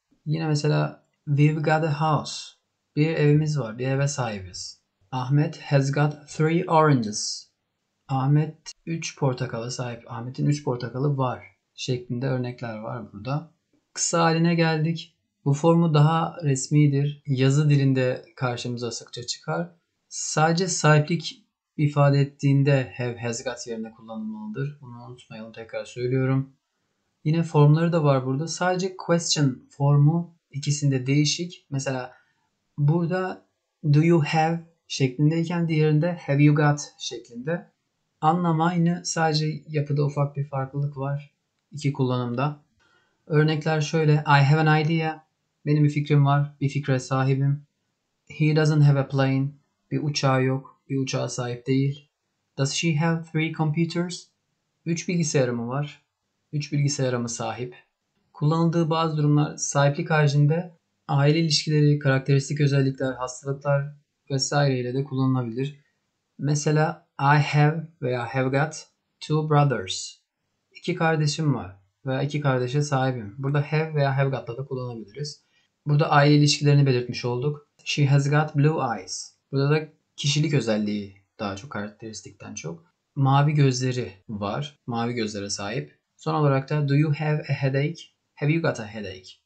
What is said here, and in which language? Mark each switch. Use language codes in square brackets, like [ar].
[en] Yine mesela we've got a house. [tr] Bir evimiz var, bir eve sahibiz. [en] Ahmet has got 3 oranges. [tr] Ahmet 3 portakala sahip. Ahmet'in 3 portakalı var şeklinde örnekler var burada. Kısa haline geldik. Bu formu daha resmidir. Yazı dilinde karşımıza sıkça çıkar. Sadece sahiplik ifade ettiğinde have, has got yerine kullanılmalıdır. Bunu unutmayalım, tekrar söylüyorum. Yine formları da var burada. Sadece question formu ikisinde değişik. Mesela burada [en] do you have [tr] şeklindeyken diğerinde [en] have you got [tr] şeklinde. Anlam aynı, sadece yapıda ufak bir farklılık var iki kullanımda. Örnekler şöyle. [en] I have an idea. [tr] Benim bir fikrim var. Bir fikre sahibim. [en] He doesn't have a plane. [tr] Bir uçağı yok. Bir uçağa sahip değil. [en] Does she have 3 computers? [tr] 3 bilgisayarı mı var? 3 bilgisayara mı sahip? Kullanıldığı bazı durumlar sahiplik haricinde aile ilişkileri, karakteristik özellikler, hastalıklar vesaireyle de kullanılabilir. [en] Mesela I have veya have got 2 brothers. [tr] 2 kardeşim var veya 2 kardeşe sahibim. Burada have veya have got'la da kullanabiliriz. Burada aile ilişkilerini belirtmiş olduk. [en] She has got blue eyes. [tr] Burada da kişilik özelliği daha çok, karakteristikten çok. Mavi gözleri var. Mavi gözlere sahip. Son olarak da [en] do you have a headache? [tr] Have you got a headache?